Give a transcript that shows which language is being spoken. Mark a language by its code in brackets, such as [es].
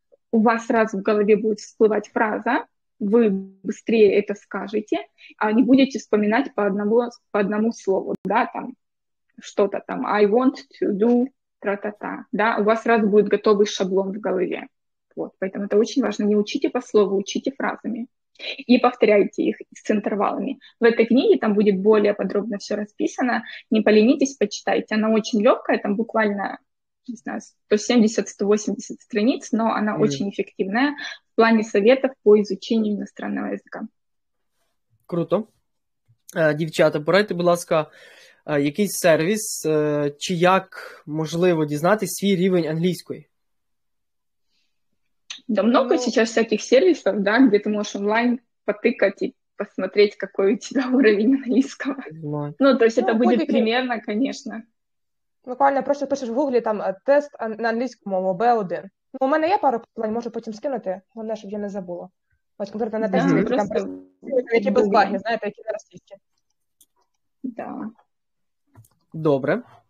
[ru] У вас сразу в голове будет всплывать фраза, вы быстрее это скажете, а не будете вспоминать по одному слову, да, там, что-то там, [en] I want to do, [ru] тра-та-та, да, у вас сразу будет готовый шаблон в голове, вот, поэтому это очень важно, не учите по слову, учите фразами и повторяйте их с интервалами. В этой книге там будет более подробно все расписано, не поленитесь, почитайте, она очень легкая, там буквально, не знаю, 170-180 страниц, но она очень эффективная в плане советов по изучению иностранного языка. Круто. [uk] Дівчата, порадьте, будь ласка, якийсь сервіс, чи як можливо дізнатися свій рівень англійської? [ru] Да много сейчас всяких сервисов, да, где ты можешь онлайн потыкать и посмотреть, какой у тебя уровень английского. Ну, то есть это будет примерно, конечно. [uk] Буквально просто пишеш в гуглі там тест на англійську мову B1. Ну, у мене є пару питань, можу потім скинути, головне, щоб я не забула. Ось, наприклад, на тесті, які там які безбарні, знаєте, які на російські. [ru] Да. [uk] Добре.